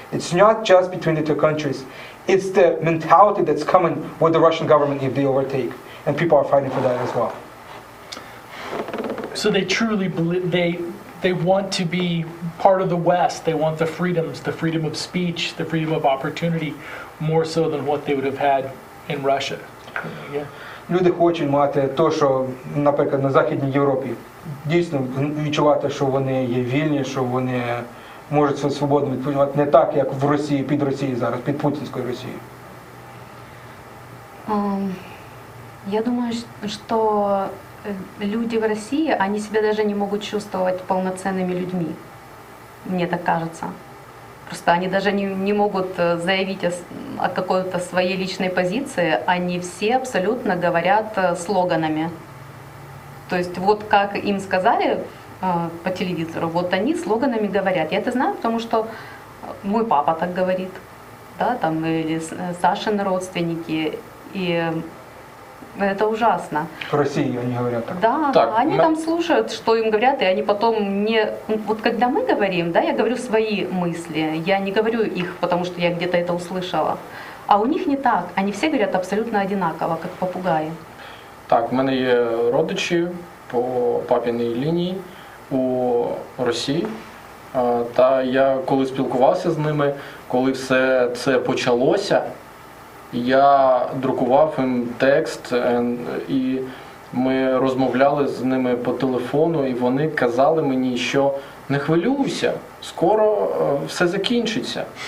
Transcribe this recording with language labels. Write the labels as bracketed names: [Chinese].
[English] It's not just between the two countries. It's the mentality that's coming with the Russian government if they overtake. And people are fighting for that as well. So they truly believe, they want to be part of the West. They want the freedoms, the freedom of speech, the freedom of opportunity, more so than what they would have had in Russia. [Ukrainian] Люди хочуть мати то, що, наприклад, на Західній Європі, дійсно відчувати, що вони є вільні, що вони можуть свою свободу відповідати не так, як в Росії, під Росією зараз, під путінською Росією. Я думаю, що люди в Росії, вони себе навіть не можуть [Russian] чувствовать [Ukrainian] повноцінними людьми. Мені так [Russian] кажется. Просто они даже не могут заявить о какой-то своей личной позиции, они все абсолютно говорят слоганами. То есть вот как им сказали по телевизору, вот они слоганами говорят. Я это знаю, потому что мой папа так говорит, да, там, или Сашины родственники, и это ужасно. В России они говорят так. Да, так, они там слушают, что им говорят, и они потом не... Вот когда мы говорим, да, я говорю свои мысли, я не говорю их, потому что я где-то это услышала. А у них не так. Они все говорят абсолютно одинаково, как попугаи. Так, у меня есть родичи по папиной линии у России. [Ukrainian] Та я, коли спілкувався з ними, коли все це почалося, я друкував їм текст, і ми розмовляли з ними по телефону, і вони казали мені, що не хвилюйся, скоро все закінчиться.